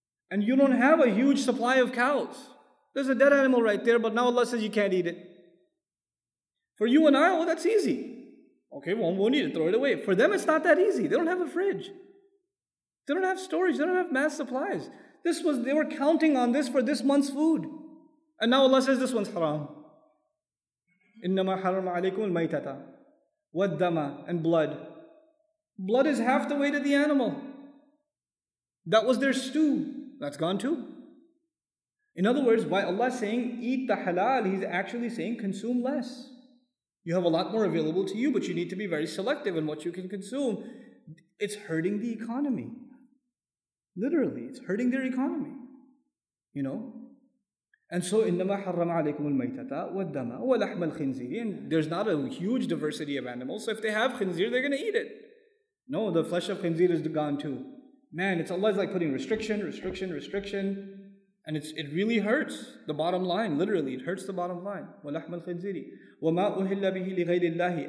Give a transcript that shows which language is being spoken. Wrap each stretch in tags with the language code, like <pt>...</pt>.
<en>And you don't have a huge supply of cows. There's a dead animal right there, but now Allah says you can't eat it. For you and I, well, that's easy. Okay, well, we'll need to throw it away. For them, it's not that easy. They don't have a fridge. They don't have storage. They don't have mass supplies. They were counting on this for this month's food. And now Allah says this one's haram.</en> <ar>إِنَّمَا حَرَمَ عَلَيْكُمُ الْمَيْتَةَ وَالدَّمَى</ar> <en>and blood. Blood is half the weight of the animal. That was their stew. That's gone too. In other words, by Allah saying, eat the halal, He's actually saying, consume less. You have a lot more available to you, but you need to be very selective in what you can consume. It's hurting the economy. Literally, it's hurting their economy. You know?</en> <ar>And so, إِنَّمَا حَرَّمَ عَلَيْكُمُ الْمَيْتَةَ وَالدَّمَى وَلَحْمَ الْخِنْزِيرِ.</ar> <en>And there's not a huge diversity of animals, so if they have khinzir, they're going to eat it. No, the flesh of khinzir is gone too. Man, it's Allah's like putting restriction, restriction, restriction. And it really hurts the bottom line. Literally, it hurts the bottom line.</en> <ar>وَلَحْمَ الْخِنْزِيرِ وَمَا أُهِلَّ بِهِ لِغَيْرِ اللَّهِ.</ar>